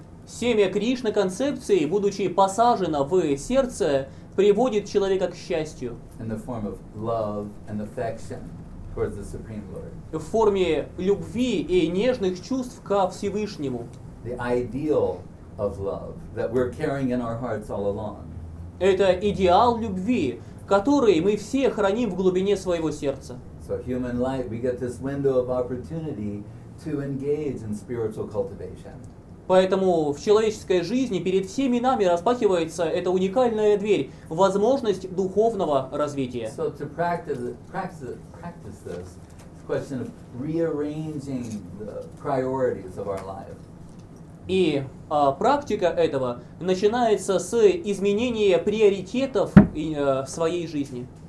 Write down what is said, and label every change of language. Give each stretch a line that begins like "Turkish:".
Russian: Семя Кришна-концепции, будучи посажено в сердце, приводит человека к счастью.
English: In the form of love and affection towards the Supreme Lord.
Russian: В форме любви и нежных чувств ко Всевышнему.
English: The ideal of love that we're carrying in our hearts all along.
Russian: Это идеал любви, который мы все храним в глубине своего сердца.
English: So human life, we get this window of opportunity to engage in spiritual cultivation.
Russian: Поэтому в человеческой жизни перед всеми нами распахивается эта уникальная дверь, возможность духовного развития.
English: So to practice this, it's a question of rearranging the priorities of our life.
Russian: И практика этого начинается с изменения приоритетов в своей жизни.